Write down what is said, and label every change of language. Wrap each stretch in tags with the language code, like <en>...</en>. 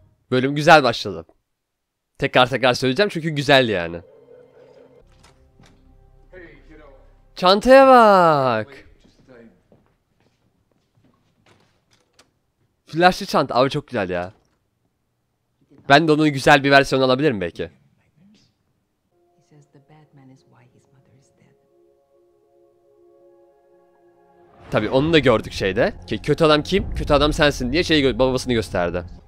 <tr>Bölüm güzel başladı. Tekrar söyleyeceğim çünkü güzeldi yani. Çantaya bak. Flash'lı çanta abi çok güzel ya. Ben de onun güzel bir versiyonu alabilirim belki.</tr> <en>Says the bad man is why his mother is dead.</en> <tr>Tabii onu da gördük şeyde. Ki kötü adam kim? Kötü adam sensin diye şeyi babasını gösterdi.</tr>